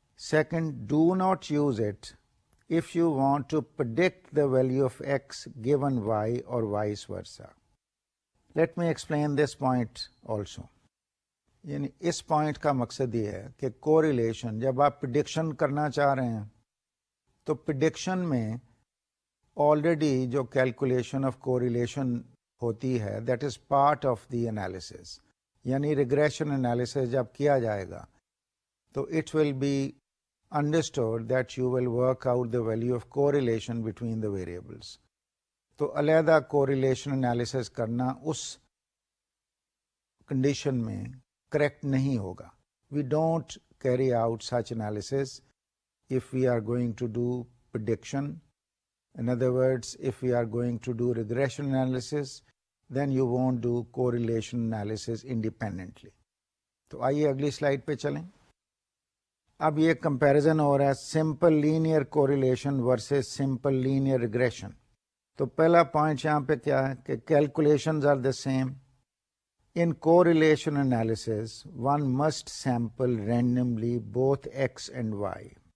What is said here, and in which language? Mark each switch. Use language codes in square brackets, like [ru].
[en] Second, do not use it if you want to predict the value of X given Y or vice versa. Let me explain this point also. [ur] یعنی اس point کا مقصد یہ ہے کہ correlation جب آپ پریڈکشن کرنا چاہ رہے ہیں تو پریڈکشن میں [en] already [ur] جو [en] calculation of correlation [ur] ہوتی ہے [en] that is part of the analysis, [ur] یعنی ریگریشن انالیسز جب کیا جائے گا تو [en] It will be understood that you will work out the value of correlation between the variables. [ur] تو علیحدہ کوریلیشن انالیسز کرنا اس کنڈیشن میں کریکٹ نہیں ہوگا. [en] We don't carry out such analysis if we are going to do prediction. In other words, if we are going to do regression analysis, then you won't do correlation analysis independently. [ur] تو آئیے اگلی slide پہ چلیں. اب یہ comparison ہو رہا ہے simple linear correlation versus simple linear regression. تو پہلا پوائنٹ یہاں پہ کیا ہے کہ [en] Calculations are the same. In correlation analysis one must sample randomly both X and Y.